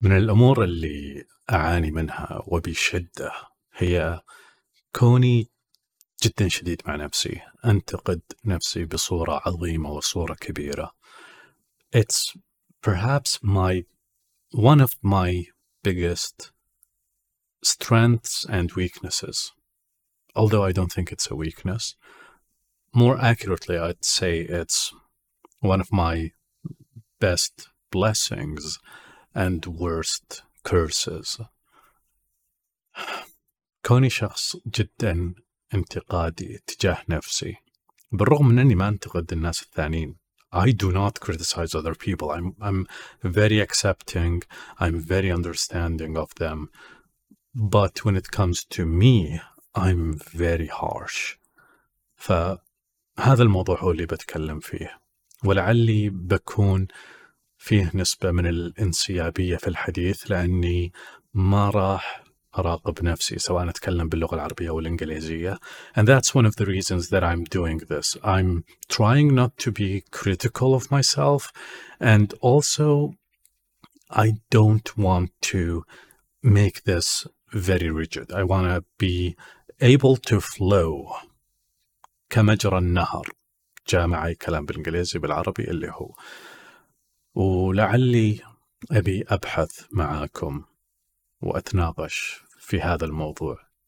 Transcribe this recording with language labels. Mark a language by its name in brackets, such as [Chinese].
[Arabic] من الأمور اللي أعاني منها وبشدة هي كوني جدا شديد مع نفسي، أنتقد نفسي بصورة عظيمة وصورة كبيرة. [English] It's perhaps my one of my biggest strengths and weaknesses. Although I don't think it's a weakness. More accurately, I'd say it's one of my best blessings and worst curses. [Arabic] كوني شخص جدا انتقادي تجاه نفسي، بالرغم من أني ما أنتقد الناس الثانيين. [English] I do not criticize other people. I'm very accepting. I'm very understanding of them. But when it comes to me, I'm very harsh. [Arabic] فهذا الموضوع هو اللي بتكلم فيه، ولعلي بكون فيه نسبة من الانسيابية في الحديث، لأني ما راح أراقب نفسي سواء أتكلم باللغة العربية أو الإنجليزية. [English] And that's one of the reasons that I'm doing this. I'm trying not to be critical of myself, and also I don't want to make this very rigid. I want to be able to flow [Arabic] كمجرى النهر، جامع أي كلام بالإنجليزي بالعربي اللي هو. ولعلي أبي أبحث معاكم وأتناقش في هذا الموضوع.